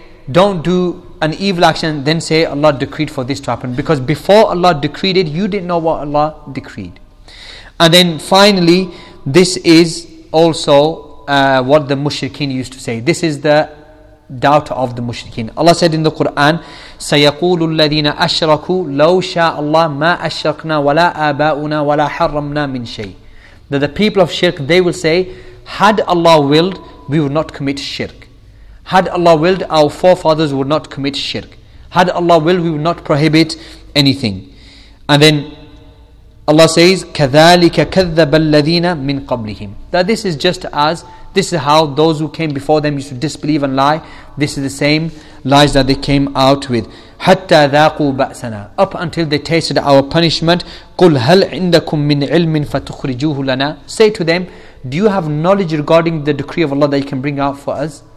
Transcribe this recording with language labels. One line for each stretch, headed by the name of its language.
English: Don't do an evil action, then say Allah decreed for this to happen. Because before Allah decreed it, you didn't know what Allah decreed. And then finally, this is also what the mushrikeen used to say. This is the doubt of the mushrikeen. Allah said in the Quran,
Arabic: سَيَقُولُ الَّذِينَ أَشْرَكُوا لَوْ شَاءَ اللَّهُ مَا أَشْرَكْنَا وَلَا آبَاؤُنَا وَلَا حَرَّمْنَا مِنْ شَيْءٍ.
English: That the people of shirk, they will say, had Allah willed, we would not commit shirk. Had Allah willed, our forefathers would not commit shirk. Had Allah willed, we would not prohibit anything. And then Allah says,
Arabic: كَذَلِكَ كَذَّبَ الَّذِينَ مِنْ قَبْلِهِمْ.
English: That this is just as, this is how those who came before them used to disbelieve and lie. This is the same lies that they came out with.
Arabic: حَتَّى ذَاقُوا بَأْسَنَا.
English: Up until they tasted our punishment.
Arabic: قُلْ هَلْ عِنْدَكُمْ مِنْ عِلْمٍ فَتُخْرِجُوهُ لَنَا.
English: Say to them, do you have knowledge regarding the decree of Allah that you can bring out for us?